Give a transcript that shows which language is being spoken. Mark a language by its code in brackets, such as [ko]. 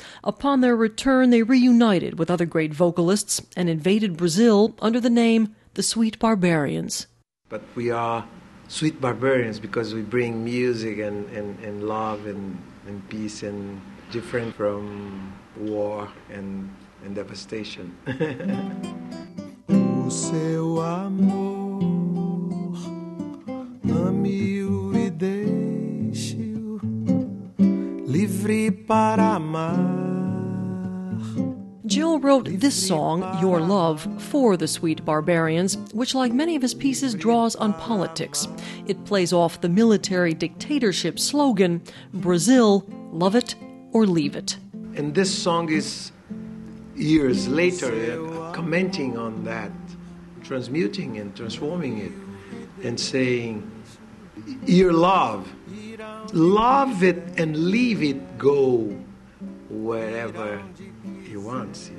[en] Upon their return, they reunited with other great vocalists and invaded Brazil under the name the Sweet Barbarians. But we are Sweet Barbarians because we bring music and love and peace and different from war and devastation. [pt] O seu amor, ame-o e deixe-o livre para amar. [en] Gil wrote this song, Your Love, for the Sweet Barbarians, which, like many of his pieces, draws on politics. It plays off the military dictatorship slogan, Brazil, love it or leave it. And this song is years later commenting on that, transmuting and transforming it, and saying, your love it and leave it go wherever he wants.